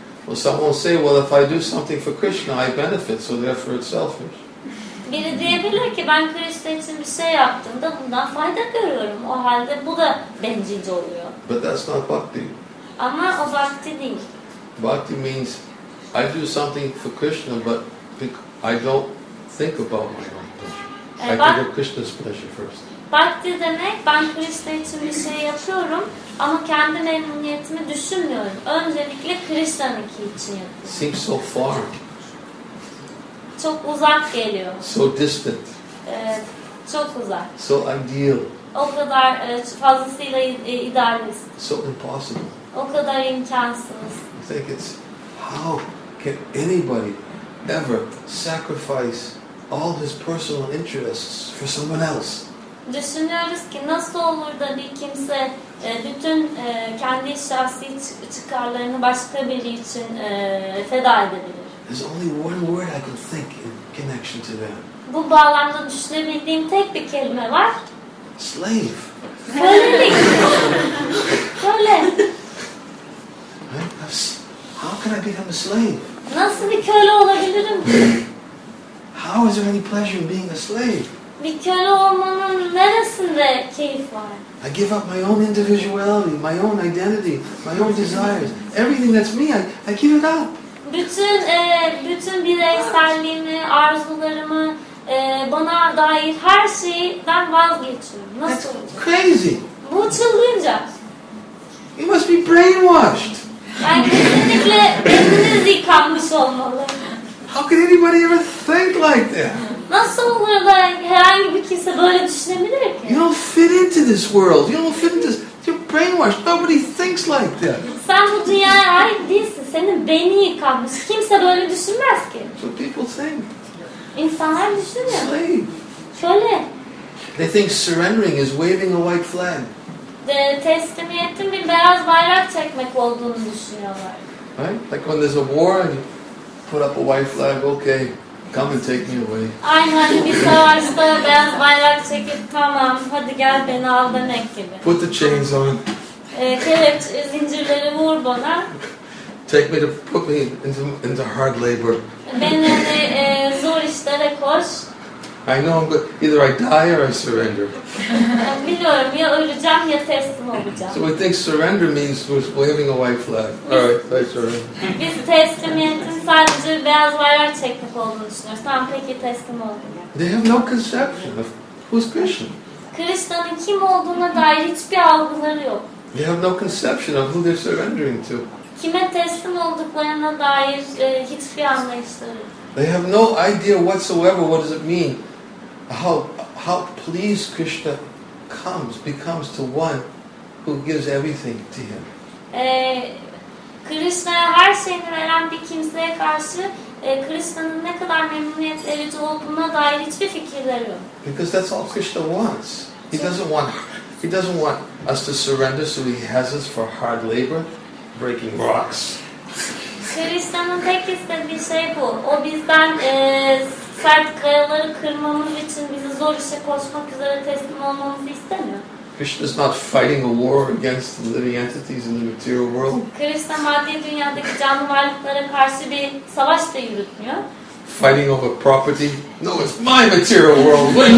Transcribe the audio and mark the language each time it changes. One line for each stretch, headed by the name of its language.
English: Well, some will say, well, if I do something for Krishna, I benefit, so therefore it's selfish.
Turkish: Biri diyebilir ki, ben Krishna için bir şey yaptığımda bundan fayda görüyorum. O halde bu da bencilce oluyor.
English: But that's not bhakti.
Turkish: Ama o bhakti değil.
English: Bhakti means I do something for Krishna, but I don't think about my own pleasure. I think of Krishna's pleasure first.
Turkish: Bhakti demek, ben Krishna için bir şey yapıyorum, ama kendi memnuniyetimi düşünmüyorum. Öncelikle Krishna'nın için yapıyorum.
English: Seems so far.
Turkish: Çok uzak geliyor.
English: So distant.
Turkish: Çok uzak.
English: So ideal.
Turkish: O kadar fazlasıyla idealist.
English: So impossible.
Turkish: O kadar imkansız.
English: I think it's how can anybody ever sacrifice all his personal interests for someone else?
Turkish: Düşünüyoruz ki nasıl olur da bir kimse bütün kendi şahsi çıkarlarını başka biri için feda edebilir?
English: There's only one word I can think in connection to that.
Turkish: Bu bağlamda düşünebildiğim tek bir kelime var.
English: Slave.
Turkish: Kölelik. Köle.
English: How can I become a slave?
Turkish: Nasıl bir köle olabilirim?
English: How is there any pleasure in being a slave?
Turkish: Bir köle olmanın neresinde keyif var?
English: I give up my own individuality, my own identity, my own desires. Everything that's me, I give it up.
Turkish: Bütün bireyselliğimi, arzularımı, bana dair her şeyden vazgeçiyorum. Nasıl olacak?
English: Crazy.
Turkish: Bu çılgınca.
English: You must be brainwashed.
Turkish: Yani kesinlikle beyniniz yıkanmış olmalı.
English: How could anybody ever think like that?
Turkish: Nasıl olur da herhangi bir kimse böyle düşünebilir ki?
English: You don't fit into this world. You don't fit into this. You're brainwashed. Nobody thinks like that.
Turkish: Sen bu dünyaya ait değilsin. Senin beynin yıkanmış. Kimse böyle düşünmez ki.
English: So people think.
Turkish: İnsanlar düşünüyor.
English: Slave.
Turkish: Şöyle.
English: They think surrendering is waving a white flag.
Turkish: De teslimiyetin bir beyaz bayrak çekmek olduğunu düşünüyorlar.
English: Right? Like when there's a war and you put up a white flag, okay. Come and take me away.
Turkish: Aynen, bir savaşta beyaz bayrak çekip tamam, hadi gel beni al demek gibi.
English: Put the chains on.
Turkish: Kelepçe, zincirleri vur bana.
English: Take me to, put me into hard labor.
Turkish: Beni zor işlere koş.
English: I know I'm good. Either I die or I surrender.
Turkish: Biliyorum, ya öleceğim ya teslim olacağım.
English: So we think surrender means waving a white flag. All right, I surrender.
Turkish: Biz teslimiyetin sadece beyaz bayrak çekmek olduğunu düşünüyoruz. Tamam, peki teslim olacağım.
English: They have no conception of who's Krishna.
Turkish: Krishna'nın kim olduğuna dair hiçbir algıları yok.
English: They have no conception of who they're surrendering to.
Turkish: Kime teslim olduklarına dair hiçbir anlayışları yok.
English: They have no idea whatsoever what does it mean, how pleased Krishna becomes to one who gives everything to him.
Turkish: Krishna'ya her şeyini veren bir kimseye karşı Krishna'nın ne kadar memnuniyet verici olduğuna dair hiçbir fikirleri yok.
English: Because that's all Krishna wants. He doesn't want us to surrender so he has us for hard labor, breaking rocks.
Turkish: Krishna'nın tek istediği şey bu. O bizden sert kayaları kırmamız için bizi zor işe koşmak üzere teslim olmamızı istemiyor.
English: Krishna's not fighting a war against the living entities in the material world.
Turkish: Krishna maddi dünyadaki canlı varlıklara karşı bir savaş da yürütmüyor.
English: Fighting over property? No, it's my material world.